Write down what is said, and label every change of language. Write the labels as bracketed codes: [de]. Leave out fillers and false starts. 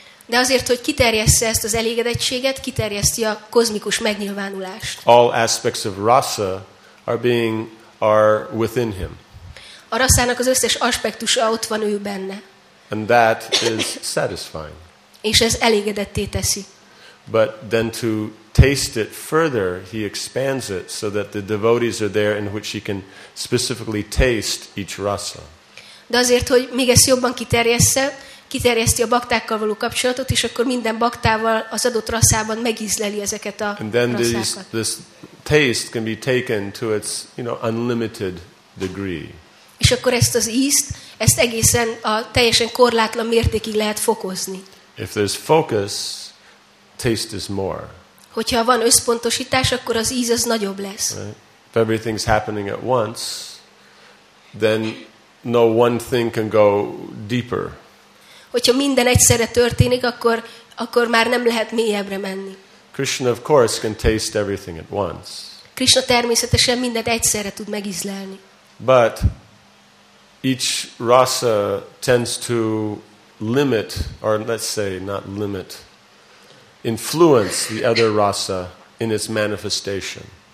[hu] De azért, hogy kiterjessze ezt az elégedettséget, kiterjeszti a kozmikus megnyilvánulást. [en] All aspects of rasa are within him. [hu] A rasának az összes aspektusa ott van ő benne. [en] And that is satisfying. [hu] És ez elégedetté teszi. [en] But then to taste it further, he expands it so that the devotees are there in which he can specifically taste each rasa. [hu] De azért, hogy még ezt jobban kiterjessze, kiterjeszti a baktákkal való kapcsolatot, és akkor minden baktával az adott rasszában megízleli ezeket a rasszákat. [en] And then this taste can be taken to its, you know, unlimited degree. [hu] És akkor ezt az ízt, ezt egészen a teljesen korlátlan mértékig lehet fokozni. [en] If there's focus, taste is more. [hu] Hogyha van összpontosítás, akkor az íz az nagyobb lesz. [en] Right? If everything's happening at once, then no one thing can go deeper. [hu] Hogyha minden egyszerre történik, akkor már nem lehet mélyebbre menni. [en] Krishna of course can taste everything at once. [hu] Krishna természetesen mindent egyszerre tud megízlelni. [en] But each rasa tends to limit, or let's say not limit, influence the other rasa in its manifestation.